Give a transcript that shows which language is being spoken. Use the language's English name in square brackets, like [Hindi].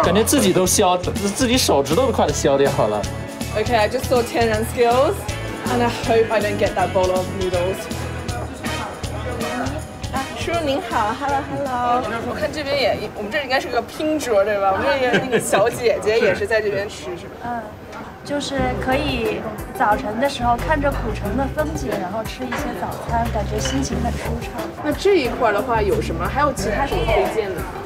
[Chinese] 感觉自己都削，自己手指头都快削掉了。 [English] Okay, I just saw Tianran skills, and I hope I don't get that bowl of noodles. [Chinese] 叔叔您好 ， [English] Hello，Hello。 [Chinese] 我看这边也，我们这应该是个拼桌对吧？我们也有那个小姐姐也是在这边吃，就是可以早晨的时候看着古城的风景，然后吃一些早餐，感觉心情很舒畅。那这一块的话，有什么？还有其他什么推荐的？